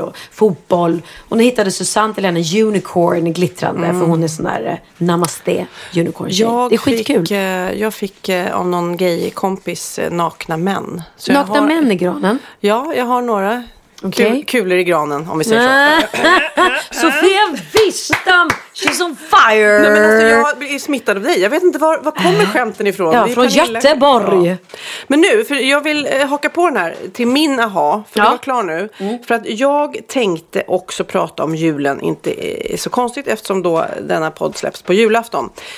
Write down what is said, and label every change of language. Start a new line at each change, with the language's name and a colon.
Swedish: Och fotboll. Och nu hittade Susanne till henne en unicorn glittrande. För hon är sån där namaste unicorn-tjej. Det är skitkul. Jag fick av någon gay kompis nakna män. Så nakna har, män i granen? Ja, jag har några kulor i granen, om vi säger så.
English: Sofia Wistam, she's on fire.
Swedish: Nej, men alltså, jag är smittad av dig. Jag vet inte, var kommer skämten ifrån? Ja, från Göteborg. Ja. Men nu, för jag vill haka på den här till min aha, för jag är klar nu. För att jag tänkte också prata om julen, inte så konstigt eftersom då denna podd släpps på julafton.